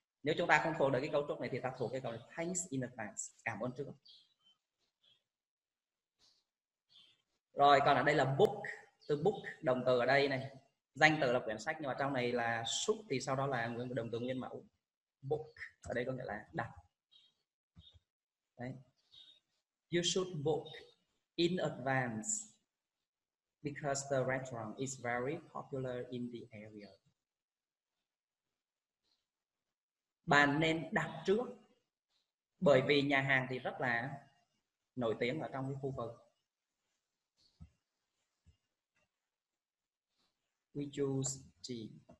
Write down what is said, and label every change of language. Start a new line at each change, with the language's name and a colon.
Vietnamese: Nếu chúng ta không thuộc được cái cấu trúc này thì ta thuộc cái câu là
English: thanks in advance,
Vietnamese: cảm ơn trước. Rồi, còn ở đây là book, từ book động từ ở đây này. Danh từ là quyển sách nhưng mà trong này là should thì sau đó là động từ nguyên mẫu. Book ở đây có nghĩa là đặt. Đấy.
English: You should book in advance because the restaurant is very popular in the area.
Vietnamese: Bạn nên đặt trước bởi vì nhà hàng thì rất là nổi tiếng ở trong cái khu vực.
English: We choose tea.